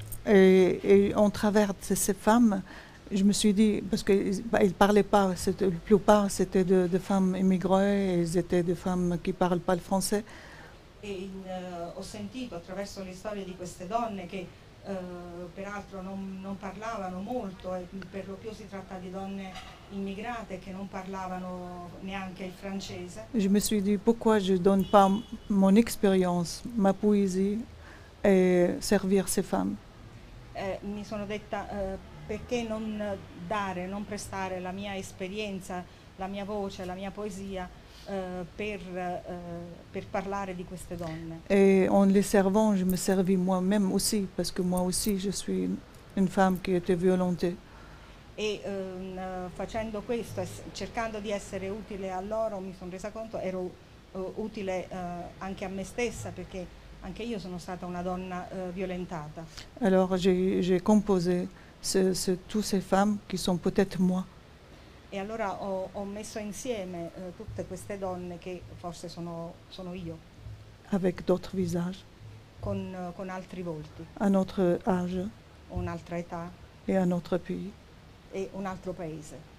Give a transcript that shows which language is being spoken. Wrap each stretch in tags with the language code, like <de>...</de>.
<fr>Et en travers de ces femmes, je me suis dit, parce qu'ils ne parlaient pas, la plupart c'était de femmes immigrées, elles étaient des femmes qui ne parlent pas le français.</fr> <it>Et ho sentito attraverso le storie di queste donne, che peraltro non parlavano molto, e per lo più si tratta di donne immigrate che non parlavano neanche il francese.</it> <fr>Je me suis dit, pourquoi je ne donne pas mon expérience, ma poésie, et servir ces femmes?</fr> <it>Mi sono detta, perché non dare, non prestare la mia esperienza, la mia voce, la mia poesia per parlare di queste donne.</it> <fr>E en les servant, je me servis moi-même aussi, parce que moi aussi je suis une femme qui était violentée.</fr> <it>E facendo questo, cercando di essere utile a loro, mi sono resa conto, ero utile anche a me stessa, perché anche io sono stata una donna violentata.</it> <fr>Alors j'ai composé toutes ces femmes qui sont peut-être moi.</fr> <it>E allora ho messo insieme tutte queste donne che forse sono io.</it> <fr>Avec d'autres visages.</fr> <it>Con altri volti.</it> <fr>À notre âge.</fr> <it>Un'altra età.</it> <fr>Et un autre pays.</fr> <it>E un altro paese.</it>